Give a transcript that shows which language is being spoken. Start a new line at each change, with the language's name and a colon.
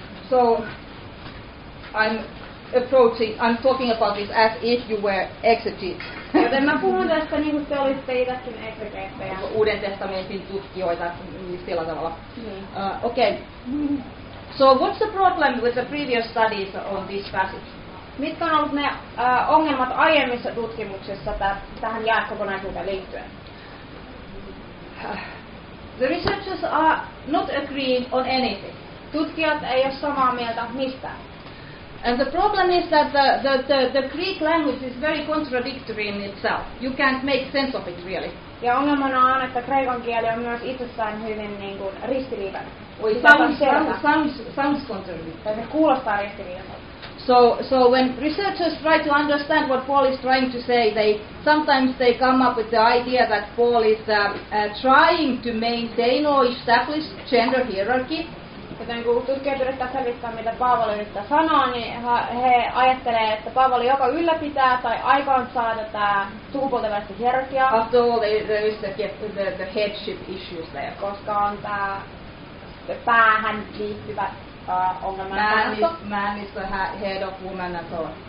English: So I'm talking about this as if you were exegetes.
Finnish: Joten mä puhun tästä niin kuin te olitte itsekin exegeteja. Uuden testamentin tutkijoita, sillä tavalla. Niin.
English: Okay. So what's the problem with the previous studies on this passage?
Finnish: Mitkä on ollut ne ongelmat aiemmissa tutkimuksissa tähän jääkokonaisuuteen liittyen?
English: The researchers are not agreeing on anything.
Finnish: Tutkijat ei ole samaa mieltä mistään.
English: And the problem is that the Greek language is very contradictory in itself. You can't make sense of it really.
Finnish: Ja ongelmana on, että kreikan kieli on myös itsessään hyvin niin kuin ristiriitainen.
English: Sounds contrary.
Finnish: Se kuulostaa ristiriitaiselta.
English: So when researchers try to understand what Paul is trying to say, they sometimes come up with the idea that Paul is trying to maintain or establish gender hierarchy.
Finnish: Joten kun tutkijat yrittää selvittää, mitä Paavali yrittää sanoa, niin he ajattelee, että Paavali joko ylläpitää tai aikaansaa tätä sukupuolten välistä hierarkiaa.
English: After all, there is the headship issues there.
Finnish: Koska on tämä päähän liittyvä
English: man is the head of woman and so on.